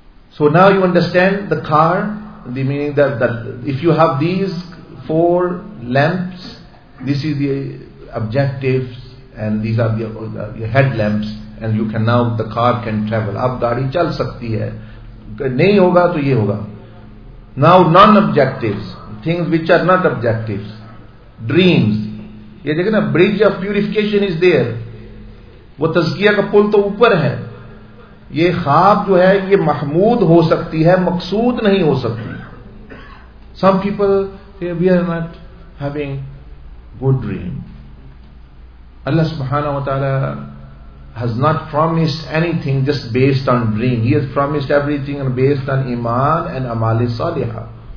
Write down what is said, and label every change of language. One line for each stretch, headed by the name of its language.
English: So now you understand the car, the meaning that, that if you have these four lamps, this is the objectives, and these are the headlamps, and you can now, the car can travel.
Urdu: Aap gaadi chal sakti hai. Nahi hoga to ye hoga.
English: Now non-objectives, things which are not objectives, dreams.
Urdu: Ye dekhe na,
English: bridge of purification is there.
Urdu: Wo tazkiya ka pul to upar hai. یہ خواب جو ہے یہ محمود ہو سکتی ہے مقصود نہیں ہو سکتی.
English: Some people say we are not having good dream. Allah subhanahu wa ta'ala has not promised anything just based on dream. He has promised everything based on iman and amali saliha.